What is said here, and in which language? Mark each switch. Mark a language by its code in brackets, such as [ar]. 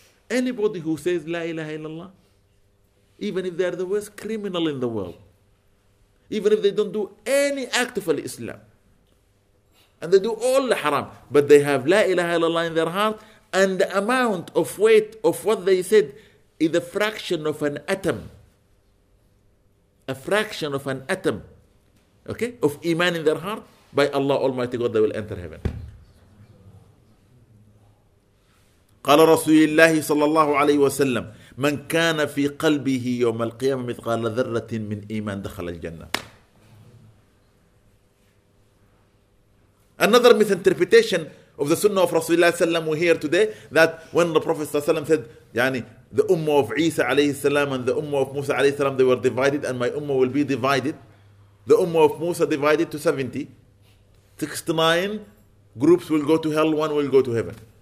[en] Anybody who says La ilaha illallah, even if they are the worst criminal in the world, even if they don't do any act of Islam, and they do all the haram, but they have La ilaha illallah in their heart, and the amount of weight of what they said is a fraction of an atom. A fraction of an atom. Okay? Of iman in their heart, by Allah Almighty God, they will enter heaven. [ar] قال رسول الله صلى الله عليه وسلم من كان في قلبه يوم القيامة مثقال ذرة من إيمان دخل الجنة. [en] Another misinterpretation of the Sunnah of Rasulullah sallam we hear today, that when the Prophet sallam said, "Yani the Ummah of Isa alayhi salam and the Ummah of Musa alayhi salam, they were divided and my Ummah will be divided. The Ummah of Musa divided to 70. 69 groups will go to hell, one will go to heaven.